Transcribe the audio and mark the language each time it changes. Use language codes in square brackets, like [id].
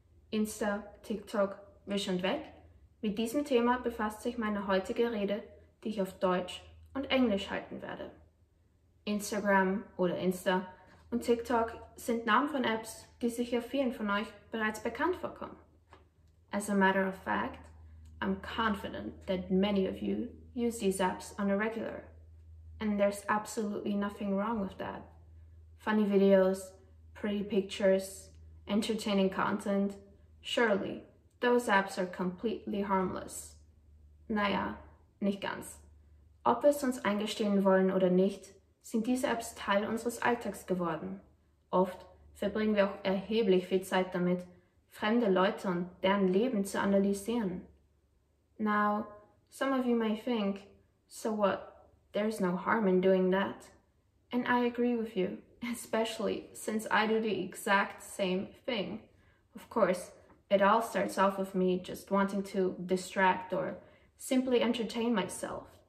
[de] Insta, TikTok, Wisch und Weg. Mit diesem Thema befasst sich meine heutige Rede, die ich auf Deutsch und Englisch halten werde. Instagram oder Insta und TikTok sind Namen von Apps, die sicher vielen von euch bereits bekannt vorkommen. [en] As a matter of fact, I'm confident that many of you use these apps on a regular. And there's absolutely nothing wrong with that. Funny videos, pretty pictures, entertaining content. Surely, those apps are completely harmless. [de] Naja, nicht ganz. Ob wir es uns eingestehen wollen oder nicht, sind diese Apps Teil unseres Alltags geworden. Oft verbringen wir auch erheblich viel Zeit damit, fremde Leute und deren Leben zu analysieren. [en] Now, some of you may think, so what, there's no harm in doing that. And I agree with you, especially since I do the exact same thing. Of course, it all starts off with me just wanting to distract or simply entertain myself.